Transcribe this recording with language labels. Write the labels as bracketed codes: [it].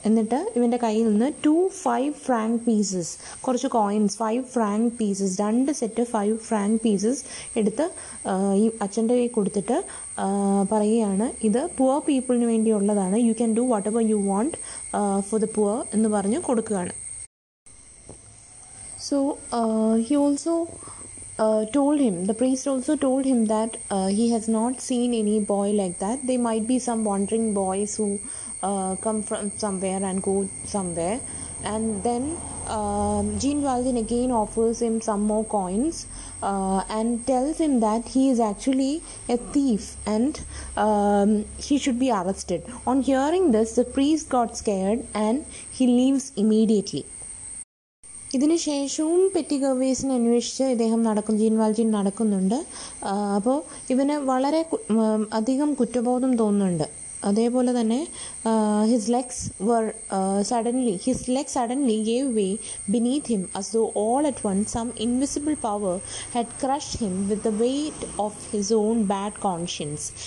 [ml] എന്നിട്ട് ഇവൻ്റെ കയ്യിൽ നിന്ന് 2 5 franc pieces, കുറച്ച് coins, 5 franc pieces, [en] 2 set of 5 franc pieces [ml] എടുത്ത് ഈ അച്ഛൻ്റെ കയ്യിൽ കൊടുത്തിട്ട് പറയുകയാണ്, ഇത് പുവർ പീപ്പിളിന് വേണ്ടിയുള്ളതാണ്, [en] you can do whatever you want for the poor [ml] എന്ന് പറഞ്ഞ് കൊടുക്കുകയാണ്. [en] So he also told him, the priest also told him that he has not seen any boy like that. They might be some wandering boys who come from somewhere and go somewhere. And then Jean Valjean again offers him some more coins and tells him that he is actually a thief and he should be arrested. On hearing this, the priest got scared and he leaves immediately. [ml] ഇതിന് ശേഷവും petty ഗവേസിനെ അന്വേഷിച്ച് ഇദ്ദേഹം നടക്കും, gene വാൽജിൻ നടക്കുന്നുണ്ട്. അപ്പോൾ ഇവന് വളരെ അധികം കുറ്റബോധം തോന്നുന്നുണ്ട്. അതേപോലെ തന്നെ [en] His legs suddenly gave way beneath him as though all at once some invisible power had crushed him with the weight of his own bad conscience.